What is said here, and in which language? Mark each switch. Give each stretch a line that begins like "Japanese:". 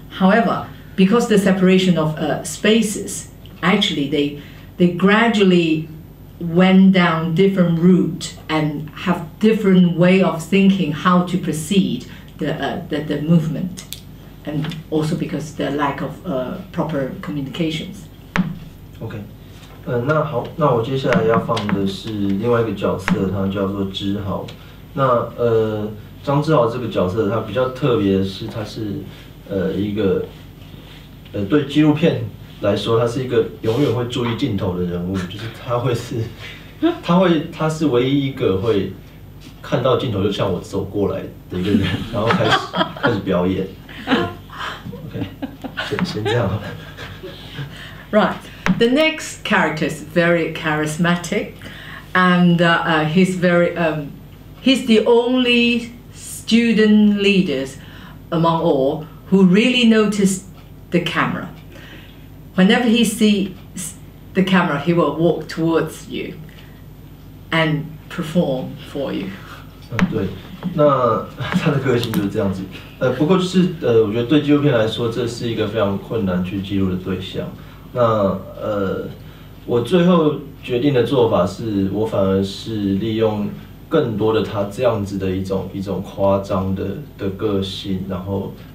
English: However, because the separation of spaces, actually they gradually went down different route and have different way of thinking how to proceed the movement, and also because the lack of proper communications.
Chinese: Okay, 那好，那我接下来要放的是另外一个角色，他叫做知豪。那张知豪这个角色，他比较特别的是，他是一个对纪录片来说，他是一个永远会注意镜头的人物，就是他是唯一一个会看到镜头就向我走过来的一个人，然后开始表演。 OK， 先这样好了。
English: Right, the next character is very charismatic, and he's very he's the only student leaders among all who really noticed the camera. Whenever he sees the camera, he will walk towards you and perform for you.
Chinese: 对，那他的个性就是这样子。不过就是我觉得对纪录片来说，这是一个非常困难去记录的对象。那我最后决定的做法是，我反而是利用更多的他这样子的一种夸张的个性，然后